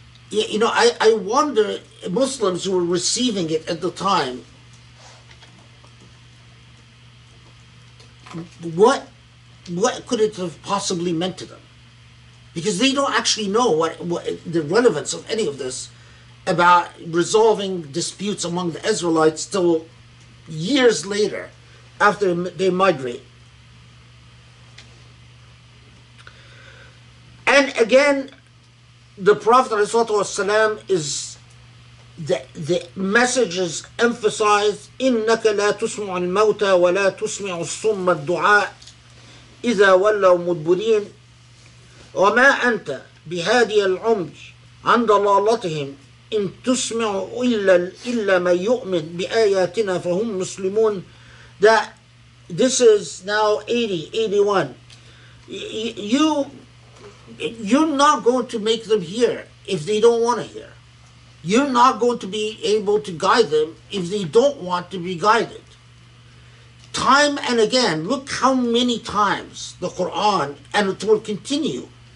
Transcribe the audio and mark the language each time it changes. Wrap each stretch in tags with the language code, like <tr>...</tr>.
<en>You know, I wonder, Muslims who were receiving it at the time, what could it have possibly meant to them? Because they don't actually know what the relevance of any of this about resolving disputes among the Israelites till years later, after they migrate. And again, the Prophet ﷺ the message is emphasized,</en> <ar>إِنَّكَ لَا تُسْمِعُ الْمَوْتَى وَلَا تُسْمِعُ الصُّمَّ الدُّعَاءِ إِذَا وَلَّوْ مُدْبُرِينَ وَمَا أَنْتَ بِهَادِيَ الْعُمْجِ عَنْ ضَلَالَتِهِمْ إِنْ تُسْمِعُ إِلَّا مَنْ يُؤْمِنْ بِآيَاتِنَا فَهُمْ مُسْلِمُونَ.</ar> <en>That this is now 80, 81. You're not going to make them hear if they don't want to hear. You're not going to be able to guide them if they don't want to be guided. Time and again, look how many times the Quran, and it will continue.</en>